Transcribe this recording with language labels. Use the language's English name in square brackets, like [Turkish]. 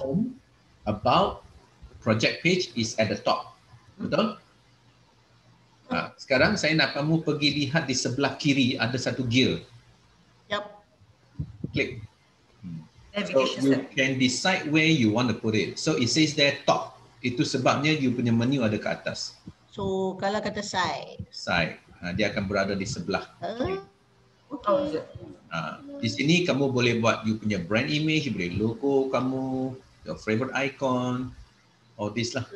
[English] Home, about, project page is at the top. [Malay] Betul? Sekarang saya nak kamu pergi lihat di sebelah kiri ada satu gear. [English] Yep. Click. So you can decide where you want to put it. So it says there top. [Malay] Itu sebabnya you punya menu ada ke atas. So kalau kata side. [English] Side. [Malay] Dia akan berada di sebelah. [English] Okay. [Malay] Di sini kamu boleh buat you punya brand image, boleh logo kamu, [English] your favorite icon, all this [Malay] lah.